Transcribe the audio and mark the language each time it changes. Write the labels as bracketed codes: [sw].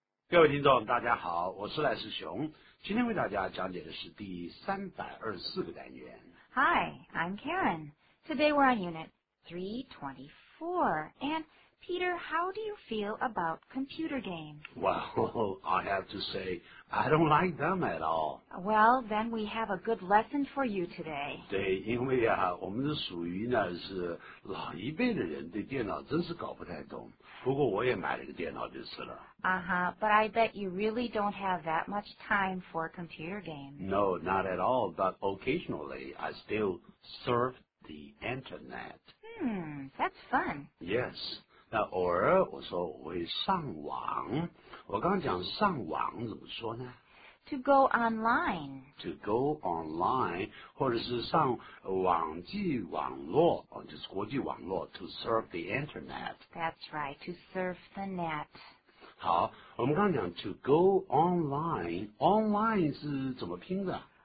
[zh] 各位听众大家好，我是赖世雄，今天为大家讲解的是第324个单元。 [en] Hi, I'm Karen. Today we're on unit 324. And Peter, how do you feel about computer games? Well, I have to say, I don't like them at all. Well, then we have a good lesson for you today. [zh] 对，因为啊，我们是属于呢是老一辈的人，对电脑真是搞不太懂。不过我也买了个电脑就是了。 [en] Uh-huh, but I bet you really don't have that much time for computer games. No, not at all, but occasionally I still surf the internet. That's fun. [zh] Yes, 那偶尔我说我会上网。我刚讲上网怎么说呢？ [en] To go online. To go online, [zh] 或者是上网际网络，就是国际网络， [en] to surf the internet. That's right, to surf the net. [zh] 好，我们刚刚讲 [en] to go online, [zh] online 是怎么拼的？